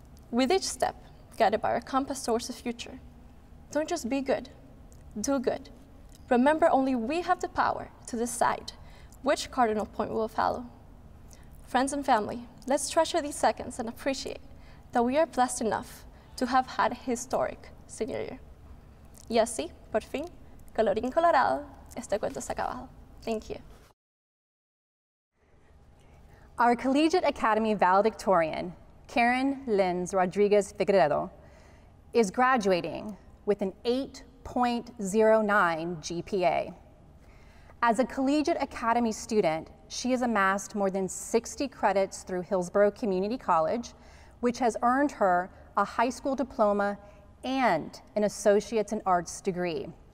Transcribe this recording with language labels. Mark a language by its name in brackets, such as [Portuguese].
[English] With each step, guided by our compass towards the future, don't just be good, do good. Remember, only we have the power to decide which cardinal point we will follow. Friends and family, let's treasure these seconds and appreciate that we are blessed enough to have had a historic senior year. [Spanish] Y así, por fin, colorín colorado, este cuento se acabó. [English] Thank you. Our Collegiate Academy valedictorian, Karen Lenz Rodriguez Figueredo, is graduating with an 8.09 GPA. As a Collegiate Academy student, she has amassed more than 60 credits through Hillsborough Community College, which has earned her a high school diploma and an associate's in arts degree.